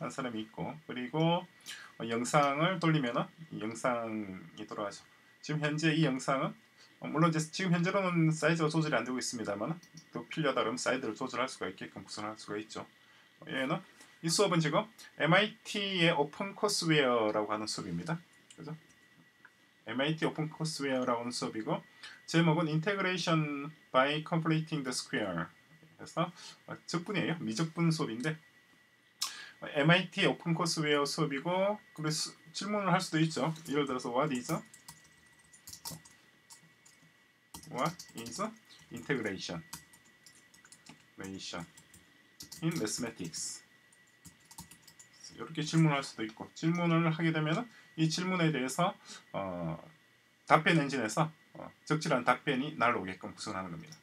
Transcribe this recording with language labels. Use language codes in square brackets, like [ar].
[ko] 한 사람이 있고, 그리고 영상을 돌리면은 영상이 돌아가죠. 지금 현재 이 영상은 물론 이제 지금 현재로는 사이즈가 조절이 안 되고 있습니다만, 또 필요하다 그러면 사이즈를 조절할 수가 있게끔 구성할 수가 있죠. 얘는 이 수업은 지금 MIT의 오픈 코스웨어라고 하는 수업입니다. 그죠? MIT 오픈 코스웨어라고 하는 수업이고, 제목은 Integration by Completing the Square. 그래서 적분이에요. 미적분 수업인데, MIT 오픈 코스웨어 수업이고, 그래서 질문을 할 수도 있죠. [en] 예를 들어서 What is integration in mathematics? [ko] 이렇게 질문할 수도 있고, 질문을 하게 되면 이 질문에 대해서 답변 엔진에서 적절한 답변이 날아오게끔 구성하는 겁니다.